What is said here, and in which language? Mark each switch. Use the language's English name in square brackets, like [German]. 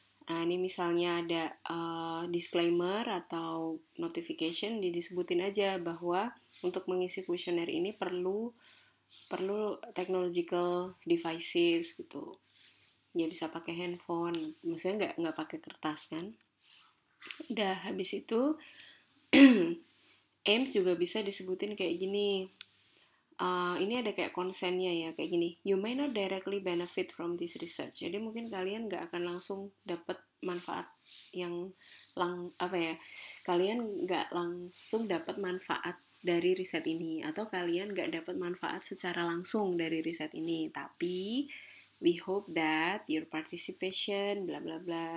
[Indonesian] Nah, ini misalnya ada disclaimer atau notification, disebutin aja bahwa untuk mengisi kuesioner ini perlu technological devices gitu. Ya bisa pakai handphone, maksudnya nggak pakai kertas kan. Udah habis itu aims juga bisa disebutin kayak gini. Ini ada kayak konsennya ya, kayak gini. [English] You may not directly benefit from this research. [Indonesian] Jadi mungkin kalian gak akan langsung dapat manfaat yang kalian gak langsung dapat manfaat dari riset ini, atau kalian gak dapat manfaat secara langsung dari riset ini. [English] Tapi we hope that your participation, bla bla bla.